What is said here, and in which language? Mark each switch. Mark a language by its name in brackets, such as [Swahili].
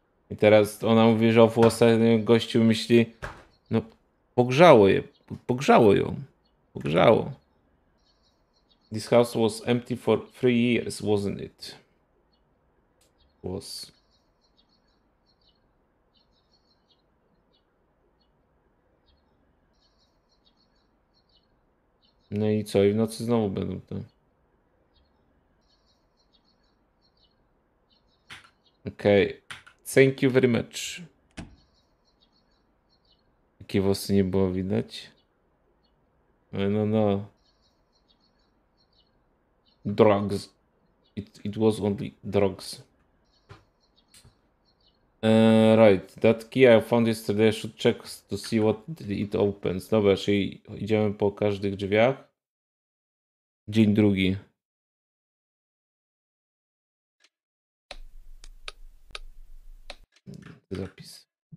[Polish] I teraz ona mówi, że o włosach, no i gościu myśli, no pogrzało je, pogrzało ją, pogrzało. [English] This house was empty for 3 years, wasn't it? Was. [Polish] No i co? I w nocy znowu będą tam. [English] Okej. Okay. Thank you very much. [Polish] Jakie włosy nie było widać? No, no. [English] Drugs. It was only drugs. Right. That key I found yesterday. I should check to see what it opens. [Polish] Dobra, czyli idziemy po każdych drzwiach. Dzień drugi. Zapis.